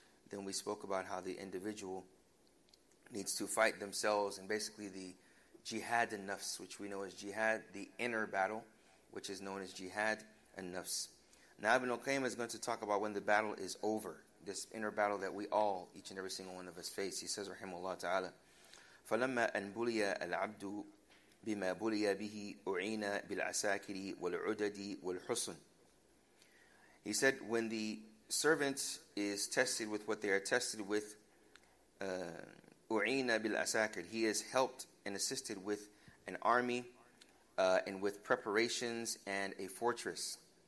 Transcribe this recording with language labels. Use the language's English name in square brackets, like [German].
[English] Then we spoke about how the individual needs to fight themselves, and basically the jihad and nafs, which we know as jihad, the inner battle, which is known as jihad and nafs. Now Ibn al-Qayyim is going to talk about when the battle is over, this inner battle that we all, each and every single one of us face. He says, [Arabic] rahimahullah ta'ala, فَلَمَّا أَنْبُلِيَ الْعَبْدُ بِمَا بُلِيَ بِهِ أُعِينَ بِالْعَسَاكِرِ وَالْعُدَدِ وَالْحُسُنِ. [English] He said, when the servant is tested with what they are tested with, [Arabic] أُعِينَ بِالْعَسَاكِرِ, [English] he is helped and assisted with an army and with preparations and a fortress.